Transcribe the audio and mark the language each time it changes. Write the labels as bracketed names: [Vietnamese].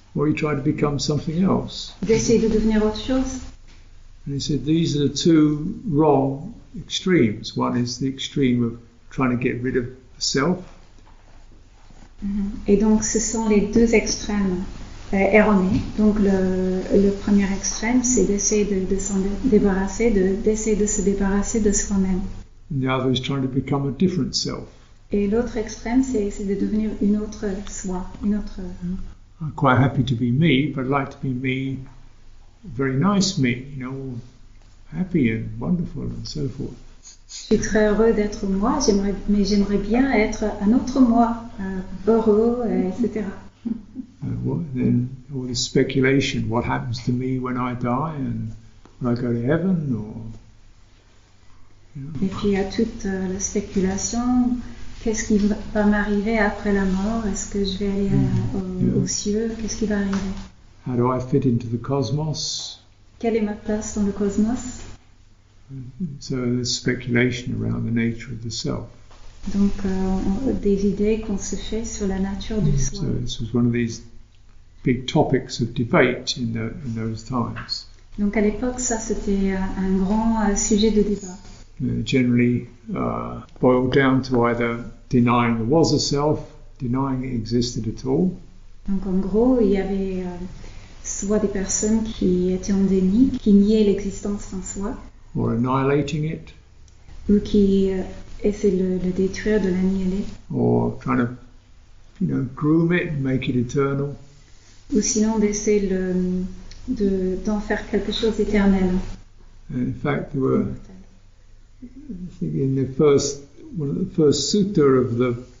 [English] Or you try to become something else. [French] D'essayer de devenir autre chose. [English] And he said, these are the two wrong extremes. One is the extreme of trying to get rid of the self. [French] Et donc, ce sont les deux extrêmes erronés. Donc, le premier extrême, c'est d'essayer de se débarrasser de soi-même. [English] And the other is trying to become a different self. [French] Et l'autre extrême, c'est de devenir une autre soi, une autre... [English] I'm quite happy to be me, but I'd like to be me. Very nice me, you know, happy and wonderful and so forth. [French] Je suis très heureux d'être moi, j'aimerais bien être un autre moi, heureux, etc. [English] Then all the speculation, what happens to me when I die and when I go to heaven, or... You know. [French] Et puis il y a toute la spéculation, qu'est-ce qui va m'arriver après la mort, est-ce que je vais aller aux cieux, qu'est-ce qui va arriver? [English] How do I fit into the cosmos? [French] Quelle est ma place dans le cosmos? [English] So there's speculation around the nature of the self. [French] Donc des idées qu'on se fait sur la nature du soi. [English] So this was one of these big topics of debate in those times. [French] Donc à l'époque, ça c'était un grand sujet de débat. [English] Generally boiled down to either denying there was a self, denying it existed at all. [French] Donc en gros, il y avait soit des personnes qui étaient en déni, qui niaient l'existence d'un soi, [English] or annihilating it, [French] ou qui essaient de le détruire, de l'annihiler, [English] or trying to, you know, groom it, make it eternal, [French] ou sinon d'essayer d'en faire quelque chose d'éternel. [English] And in fact, there were, I think, in the first sutta of the